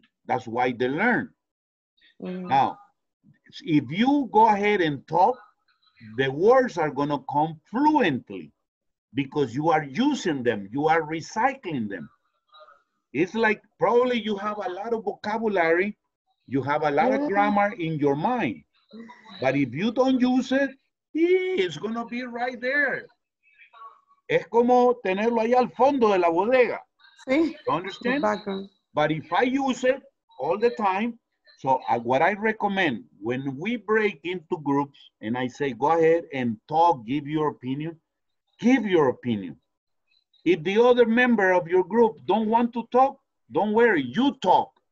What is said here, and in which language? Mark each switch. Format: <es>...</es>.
<en>That's why they learn. Mm. Now, if you go ahead and talk, the words are going to come fluently because you are using them. You are recycling them. It's like probably you have a lot of vocabulary. You have a lot of grammar in your mind. But if you don't use it, it's going to be right there.</en> <es>Es como tenerlo ahí al fondo de la bodega. Sí.</es> <en>You understand? But if I use it all the time, so what I recommend, when we break into groups and I say, go ahead and talk, give your opinion. If the other member of your group don't want to talk, don't worry, you talk.</en>